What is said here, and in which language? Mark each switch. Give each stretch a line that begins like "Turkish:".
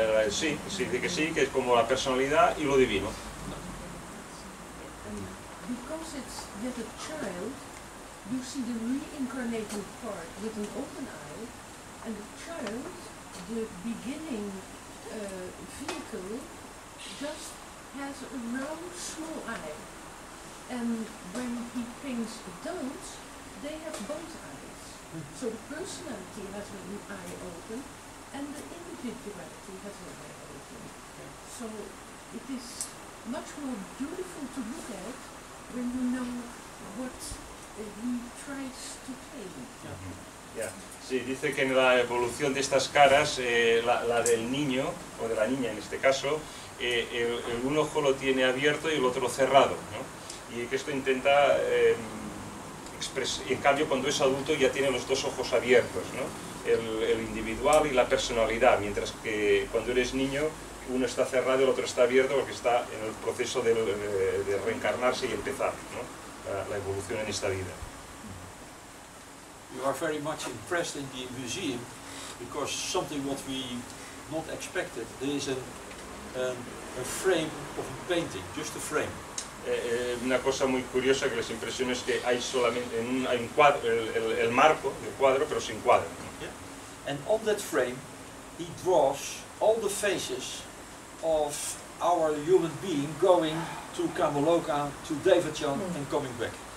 Spanish: Sí, que es como la personalidad y lo divino.
English: Because it's yet a child, you see the reincarnated part with an open eye, and the child, the beginning vehicle, just has a round small eye. And when he paints adults, they have both eyes. So the personality has an eye open, and the individuality has an eye open. So it is much more beautiful to look at when you know what he tries to paint. Yeah. Yeah.
Spanish: Sí, dice que en la evolución de estas caras, la del niño, o de la niña en este caso, el un ojo lo tiene abierto y el otro cerrado, ¿no? Y que esto intenta expresar. En cambio, cuando es adulto ya tiene los dos ojos abiertos, ¿no? El individual y la personalidad, mientras que cuando eres niño, uno está cerrado y el otro está abierto porque está en el proceso de reencarnarse y empezar, ¿no? La evolución en esta vida.
English: You are very much impressed in the museum because something what we not expected. There is a frame of a painting, just a frame.
Spanish: Una cosa muy curiosa que les impresiona es que hay solamente hay un cuadro, el marco del cuadro, pero sin cuadro.
English: Yeah. And on that frame, he draws all the faces of our human being going to Kamaloka, to Devachan, and coming back.